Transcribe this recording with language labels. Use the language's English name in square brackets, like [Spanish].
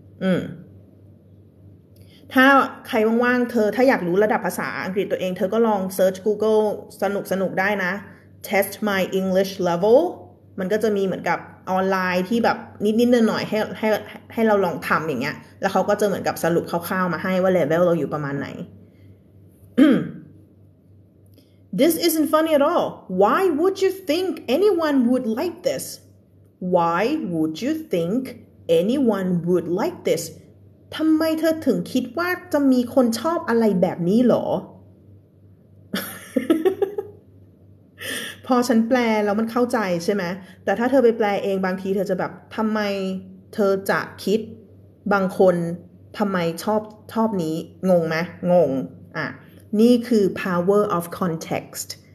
[Thai] 2ถ้าใครว่างๆเธอถ้าอยากรู้ระดับภาษาอังกฤษตัวเองเธอก็ลองเซิร์ช Google สนุกๆได้นะ [English] Test My English Level [Thai] มันก็จะมีเหมือนกับออนไลน์ที่แบบนิดๆหน่อยๆให้เราลองทำอย่างเงี้ยแล้วเขาก็จะเหมือนกับสรุปคร่าวๆมาให้ว่าเลเวลเราอยู่ประมาณไหน [English] This isn't funny at all Why would you think anyone would like this? Why would you think anyone would like this? [Thai] ทำไมเธอถึงคิดว่าจะมีคนชอบอะไรแบบนี้หรอ พอฉันแปลแล้วมันเข้าใจใช่ไหมแต่ถ้าเธอไปแปลเองบางทีเธอจะแบบทำไมเธอจะคิดบางคนทำไมชอบนี้งงไหมงงอ่ะนี่คือ [English] power of context